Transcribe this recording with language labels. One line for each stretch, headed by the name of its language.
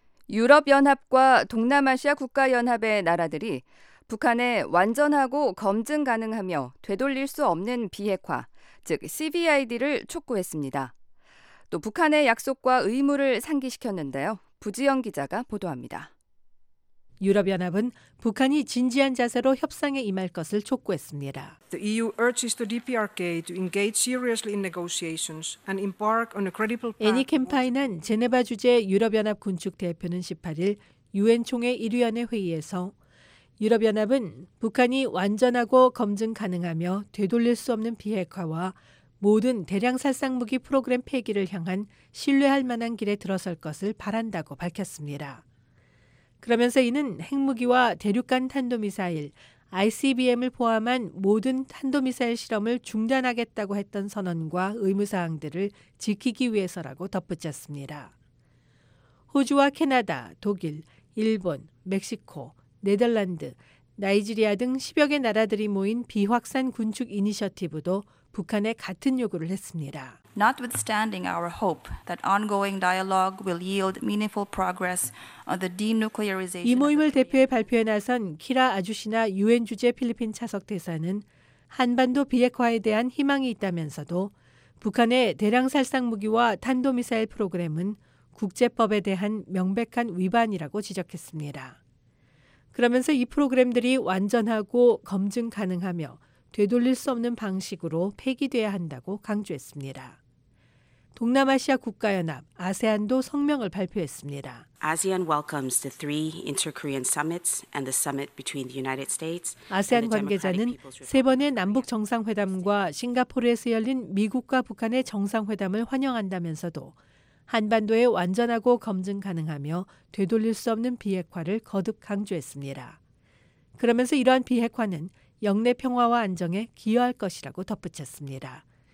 Korean: 유럽연합과 동남아시아 국가연합의 나라들이 북한의 완전하고 검증 가능하며 되돌릴 수 없는 비핵화, 즉 CBID를 촉구했습니다. 또 북한의 약속과 의무를 상기시켰는데요. 부지영 기자가 보도합니다. 유럽연합은 북한이 진지한 자세로 협상에 임할 것을 촉구했습니다.
English: The EU urges the DPRK to engage seriously in negotiations and embark on a credible path.
Korean: 애니 캠파인한 제네바 주재 유럽연합 군축 대표는 18일 유엔 총회 1위원회 회의에서 유럽연합은 북한이 완전하고 검증 가능하며 되돌릴 수 없는 비핵화와 모든 대량 살상 무기 프로그램 폐기를 향한 신뢰할 만한 길에 들어설 것을 바란다고 밝혔습니다. 그러면서 이는 핵무기와 대륙간 탄도미사일, ICBM을 포함한 모든 탄도미사일 실험을 중단하겠다고 했던 선언과 의무사항들을 지키기 위해서라고 덧붙였습니다. 호주와 캐나다, 독일, 일본, 멕시코, 네덜란드, 나이지리아 등 10여 개 나라들이 모인 비확산 군축 이니셔티브도 북한에 같은 요구를 했습니다.
English: Notwithstanding our hope that ongoing dialogue will yield meaningful progress on the denuclearization.
Korean: 이 모임을 대표해 발표에 나선 키라 아주시나 유엔 주재 필리핀 차석 대사는 한반도 비핵화에 대한 희망이 있다면서도 북한의 대량 살상 무기와 탄도 미사일 프로그램은 국제법에 대한 명백한 위반이라고 지적했습니다. 그러면서 이 프로그램들이 완전하고 검증 가능하며 되돌릴 수 없는 방식으로 폐기돼야 한다고 강조했습니다. 동남아시아 국가연합 아세안도 성명을 발표했습니다.
English: ASEAN welcomes the three inter-Korean summits and the summit between the United States.
Korean: 아세안 관계자는 세 번의 남북 정상회담과 싱가포르에서 열린 미국과 북한의 정상회담을 환영한다면서도 한반도의 완전하고 검증 가능하며 되돌릴 수 없는 비핵화를 거듭 강조했습니다. 그러면서 이러한 비핵화는 영내 평화와 안정에 기여할 것이라고 덧붙였습니다.